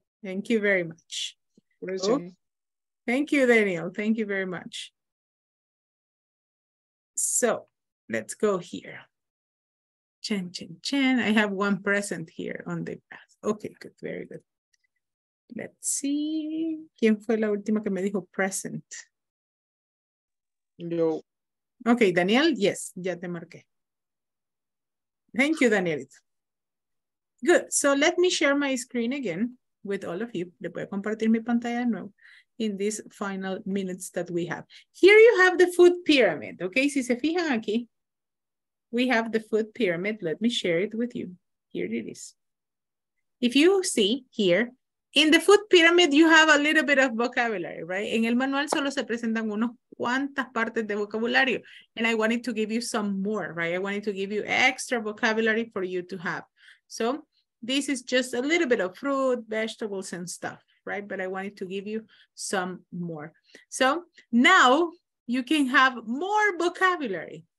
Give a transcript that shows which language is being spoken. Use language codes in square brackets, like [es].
[en] Thank you very much. Present. Thank you, Daniel. Thank you very much. So, let's go here. Chen, chen, chen. I have one present here on the path. Okay, good. Very good. Let's see. [es] ¿Quién fue la última que me dijo present? Yo. [en] Okay, Daniel, yes, [es] ya te marqué. [en] Thank you, Danielito. Good, so let me share my screen again with all of you. [es] Le voy a compartir mi pantalla de nuevo [en] in these final minutes that we have. Here you have the food pyramid, okay? [es] Si se fijan aquí, [en] we have the food pyramid. Let me share it with you. Here it is. If you see here, in the food pyramid, you have a little bit of vocabulary, right? [es] En el manual solo se presentan unos cuantas partes de vocabulario. [en] And I wanted to give you some more, right? I wanted to give you extra vocabulary for you to have. So this is just a little bit of fruit, vegetables, and stuff, right? But I wanted to give you some more. So now you can have more vocabulary.